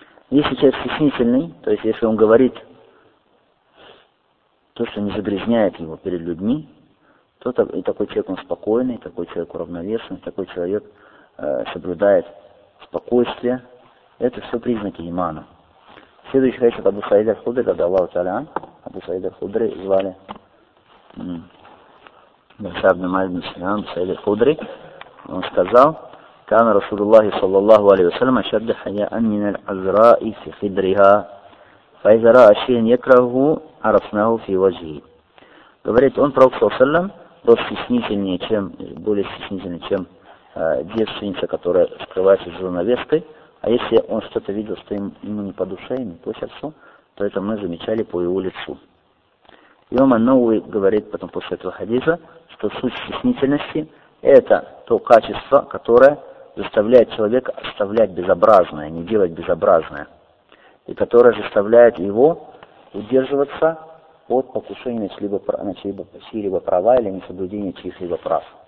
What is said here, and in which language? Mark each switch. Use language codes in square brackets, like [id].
[ru] Если человек стеснительный, то есть если он говорит то, что не загрязняет его перед людьми, то и такой человек он спокойный, такой человек уравновешенный, такой человек соблюдает спокойствие. Это все признаки имана. Следующий хадис от Абу Саид аль-Худри, когда Аллаху Тааля, Абу Саид аль-Худри звали Басар ибн Маль ибн Сулейман, Абу Саид аль-Худри. Он сказал, [ar] كان رسول الله صلى الله عليه وسلم أشد حياء من العذراء في خدرها فإذا رأى شيئا يكرهه عرفناه في وجهه. [ru] Говорит, он пророк саллам был стеснительнее, чем более стеснительный, чем девственница, которая скрывается за занавеской. А если он что-то видел, что ему не по душе, не по сердцу, то это мы замечали по его лицу. И он Ан-Науи говорит потом после этого хадиса, что суть стеснительности это то качество, которое заставляет человека оставлять безобразное, не делать безобразное, и которое заставляет его удерживаться от покушения на чьи-либо права или несоблюдения чьих-либо прав.